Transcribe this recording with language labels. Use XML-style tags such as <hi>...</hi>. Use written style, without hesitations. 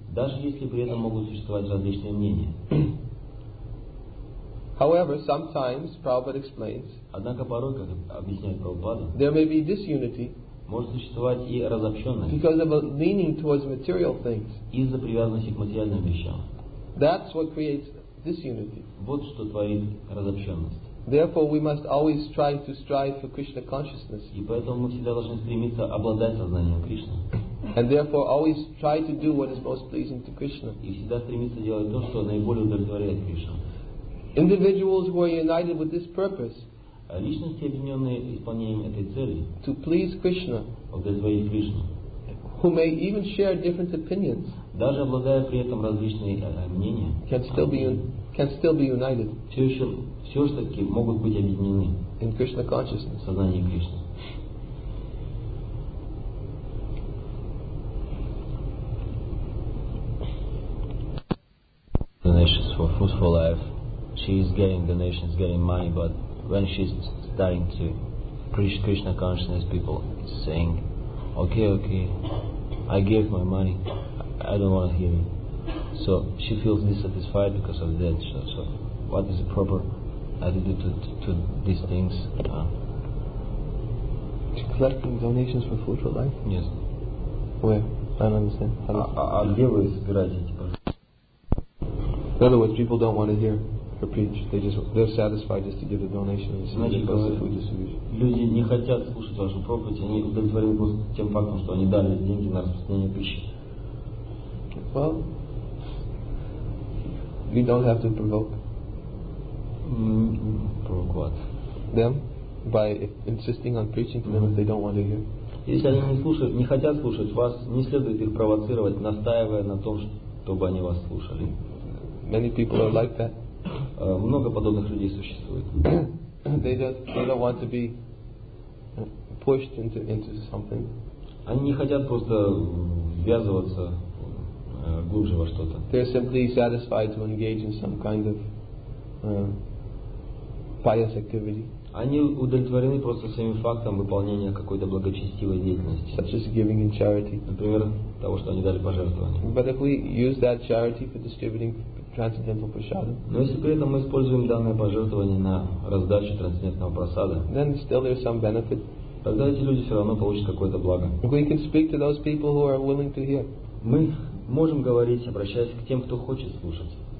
<ru>Даже если при этом могут существовать различные мнения.</ru> <en>However, sometimes Prabhupada explains.</en> <ru>Однако порой, как объясняет Прабхупада,</ru> <en>there may be disunity.</en> <ru>Может существовать и разобщенность.</ru> <en>Because of a leaning towards material things.</en> <ru>Из-за привязанности к материальным вещам.</ru> <en>That's what creates disunity.</en> <ru>Вот что творит разобщенность.</ru> <en>Therefore, we must always try to strive for Krishna consciousness.</en> <ru>И поэтому мы всегда должны стремиться обладать сознанием Кришны.</ru> <en>And therefore, always try to do what is most pleasing to Krishna.</en> <ru>И всегда стремиться делать то, что наиболее удовлетворяет Кришну.</ru> <en>Individuals who are united with this purpose.</en> <ru>Личности, объединенные исполнением этой цели.</ru> <en>To please Krishna.</en> <ru>Удовлетворить Кришну.</ru> <en>Who may even share different opinions.</en> <ru>Даже обладая при этом различные мнения.</ru> <en>Can still be united.</en> <ru>Все-таки могут быть объединены</ru> <en>in Krishna consciousness.</en> <ru>В сознании Кришны.</ru> <en>Donations for fruitful life. She is getting donations, getting money, but when she's starting to preach Krishna consciousness, people saying, okay, I gave my money, I don't want to hear it. So she feels dissatisfied because of that. So what is the proper attitude to these things? She's collecting donations for food for life? Yes. Where? I don't understand. Give us gratitude. In other words, people don't want to hear her preach. They're satisfied just to give the donation.</en> <ru>Люди не хотят слушать вашу проповедь. Они удовлетворены просто тем фактом, что они дали деньги на распространение пищи.</ru> <en>Well, you don't have to provoke. Provoke what? Them by insisting on preaching to them if they don't want to hear.</en> <ru>Если они не хотят слушать вас, не следует их провоцировать, настаивая на том, чтобы они вас слушали.</ru> <en>Many people are like that.</en> <ru>Много подобных людей существует.</ru> <en>They don't want to be pushed into something.</en> <ru>Они не хотят просто ввязываться глубже во что-то.</ru> <en>They're simply satisfied to engage in some kind of pious activity.</en> <ru>Они удовлетворены просто самим фактом выполнения какой-то благочестивой деятельности.</ru> <en>Such as giving in charity.</en> <ru>Например, того, что они дали пожертвование.</ru> <en>But if we use that charity for distributing transcendental prasada.</en> <ru>Но если при этом мы используем данное пожертвование на раздачу трансцендентного просада,</ru> <en>then still there's some benefit.</en> <ru>Тогда эти люди все равно получат какое-то благо.</ru> <en>We can speak to those people who are willing to hear.</en> <ru>Мы можем говорить, обращаясь к тем, кто хочет слушать.</ru>